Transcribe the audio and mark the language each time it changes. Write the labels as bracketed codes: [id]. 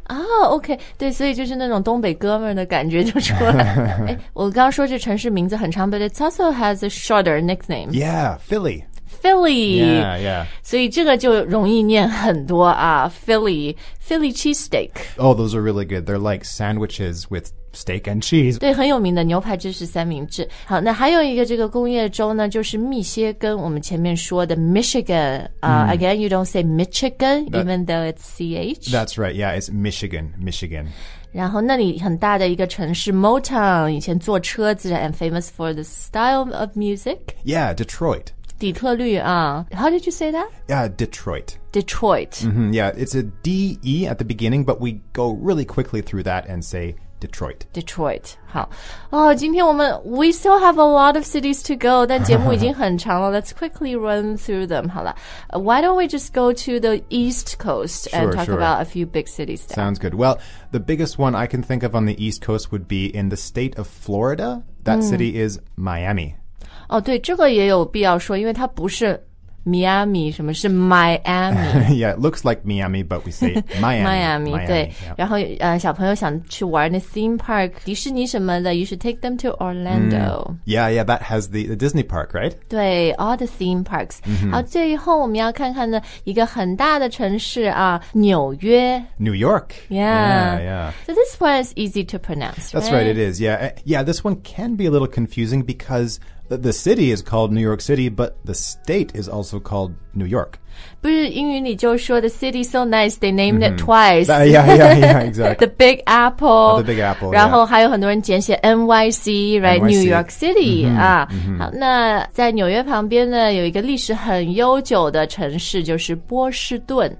[en] Oh, okay. [zh] 对，所以就是那种东北哥们的感觉就出来了。我刚刚说这城市名字很长 [en] but it also has a shorter nickname. Yeah, Philly. Philly. Yeah. [zh] 所以这个就容易念很多啊 Philly cheesesteak. [en] Oh, those are really good. They're like sandwiches with steak and cheese. [zh] 对，很有名的牛排芝士三明治。好，那还有一个这个工业州呢，就是密歇根。我们前面说的 Michigan. [en] Again, you don't say Michigan, even though it's CH. That's right. Yeah, it's Michigan. [zh] 然后那里很大的一个城市 Motown, 以前坐车子 [en] and famous for the style of music. Yeah, Detroit. [zh] 底特律啊 [en] How did you say that? Yeah, Detroit. Detroit. Mm-hmm, yeah, it's a D-E at the beginning, but we go really quickly through that and say Detroit. Detroit. 好、oh, [zh] 今天我们 [en] we still have a lot of cities to go, [zh] 但节目已经很长了 [en] Let's quickly run through them. [zh] 好了 [en] Why don't we just go to the East Coast and sure, sure. about a few big cities there? Sounds good. Well, the biggest one I can think of on the East Coast would be in the state of Florida. That city is Miami. [zh] 哦、oh, 对这个也有必要说因为它不是 Miami, 什么是 Miami? [en] yeah, it looks like Miami, but we say Miami. [zh] Miami, 对。 [en] Yeah. [zh] 然后、小朋友想去玩那 [en] theme park, [zh] 迪士尼什么的 [en] you should take them to Orlando.、 Yeah, that has the Disney park, right? 对 all the theme parks.、 Mm-hmm. [zh] 好最后我们要看看的一个很大的城市啊纽约。 [en] New York. Yeah. So this one is easy to pronounce, That's right, it is. Yeah, this one can be a little confusing because... The city is called New York City, but the state is also called New York. [zh] 不是英语里就说 [en] the city is so nice, they named it twice. Yeah, exactly. The Big Apple. Oh, the Big Apple, [zh] 然后还有很多人简写 NYC, right? [en] NYC. New York City. Mm-hmm, 啊 mm-hmm. [zh] 好那在纽约旁边呢有一个历史很悠久的城市就是波士顿。